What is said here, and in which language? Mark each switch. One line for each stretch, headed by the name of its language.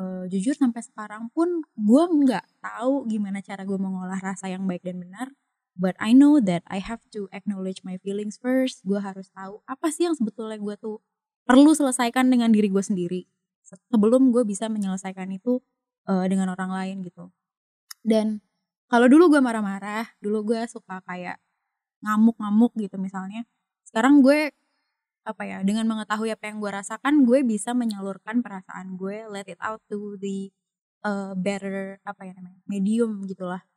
Indonesian: Jujur sampai sekarang pun gue nggak tahu gimana cara gue mengolah rasa yang baik dan benar.
English: But I know that I have to acknowledge my feelings first.
Indonesian: Gue harus tahu apa sih yang sebetulnya gue tuh perlu selesaikan dengan diri gue sendiri sebelum gue bisa menyelesaikan itu dengan orang lain gitu. Dan kalau dulu gue marah-marah, dulu gue suka kayak ngamuk-ngamuk gitu misalnya. Sekarang gue apa ya, dengan mengetahui apa yang gue rasakan, gue bisa menyalurkan perasaan gue,
English: let it out to the better
Indonesian: apa ya namanya, medium gitulah.